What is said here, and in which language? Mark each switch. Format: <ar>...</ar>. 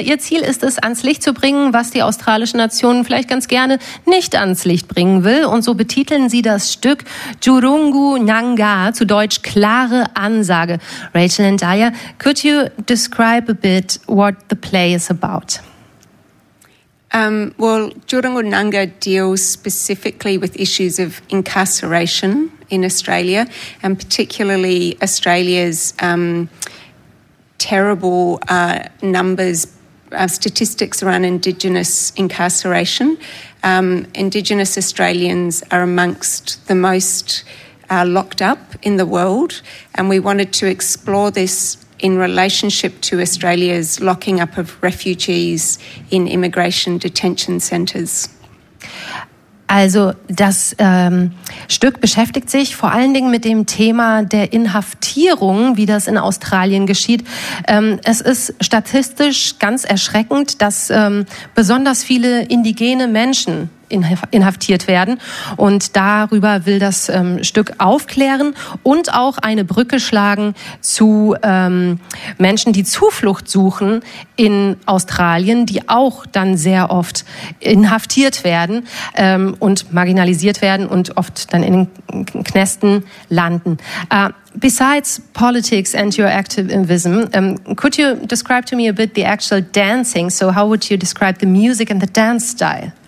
<de>Ihr Ziel ist es, ans Licht zu bringen, was die australische Nation vielleicht ganz gerne nicht ans Licht bringen will. Und so betiteln sie das Stück Jurungu Nanga, zu Deutsch klare Ansage.</de> <en>Rachel and Daya, could you describe a bit what the play is about? Well, Jurungu Nanga deals specifically with issues of incarceration in Australia, and particularly Australia's terrible numbers, statistics around Indigenous incarceration. Indigenous Australians are amongst the most locked up in the world, and we wanted to explore this in relationship to Australia's locking up of refugees in immigration detention centres.</en> <de>Also das Stück beschäftigt sich vor allen Dingen mit dem Thema der Inhaftierung, wie das in Australien geschieht. Es ist statistisch ganz erschreckend, dass besonders viele indigene Menschen inhaftiert werden, und darüber will das Stück aufklären und auch eine Brücke schlagen zu Menschen, die Zuflucht suchen in Australien, die auch dann sehr oft inhaftiert werden und marginalisiert werden und oft dann in den Knästen landen.</de> <en>Besides politics and your activism, could you describe to me a bit the actual dancing? So how would you describe the music and the dance style?</en>